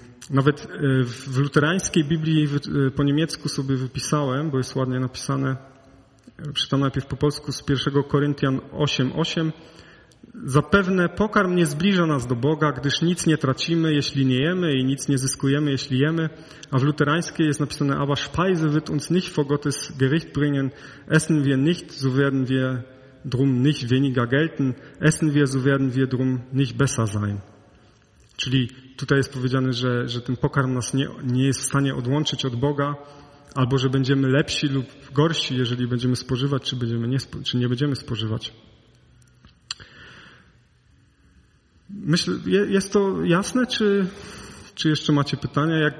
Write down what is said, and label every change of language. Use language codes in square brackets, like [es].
[pl] Nawet w luterańskiej Biblii po niemiecku sobie wypisałem, bo jest ładnie napisane, czytam najpierw po polsku z 1 Koryntian 8:8. Zapewne pokarm nie zbliża nas do Boga, gdyż nic nie tracimy, jeśli nie jemy i nic nie zyskujemy, jeśli jemy. A w luterańskiej jest napisane, [de] aber Speise wird uns nicht vor Gottes Gericht bringen, essen wir nicht, so werden wir drum nicht weniger gelten, essen wir, so werden wir drum nicht besser sein. [pl] Czyli tutaj jest powiedziane, że ten pokarm nas nie jest w stanie odłączyć od Boga, albo że będziemy lepsi lub gorsi, jeżeli będziemy spożywać, czy nie będziemy spożywać. Myślę, jest to jasne, czy jeszcze macie pytania?